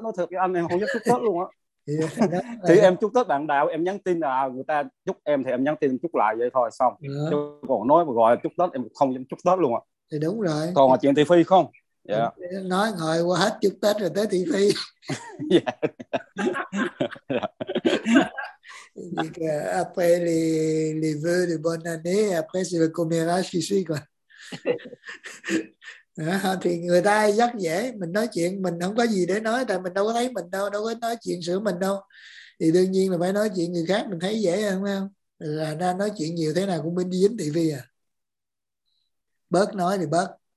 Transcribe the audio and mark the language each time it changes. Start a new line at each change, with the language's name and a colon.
Vietnamese: Nói thật với anh em không dám chúc Tết luôn á. Thì em chúc Tết bạn đạo em nhắn tin là người ta chúc em thì em nhắn tin chúc lại vậy thôi xong chứ còn nói mà gọi chúc Tết em không dám chúc Tết luôn á. Thì đúng rồi, còn là chuyện thị phi không. Nói ngồi qua hết chúc Tết rồi tới thị phi.
French: Donc, après les vœux de bonne année, après c'est le commérage qui suit quoi.
Vietnamese: Thì người ta rất dễ, mình nói chuyện mình không có gì để nói, tại mình đâu có thấy mình đâu, đâu có nói chuyện sửa mình đâu, thì đương nhiên là phải nói chuyện người khác mình thấy dễ hơn, phải không? Là ra nói chuyện nhiều thế nào cũng bên dính thị phi à, bớt nói thì bớt.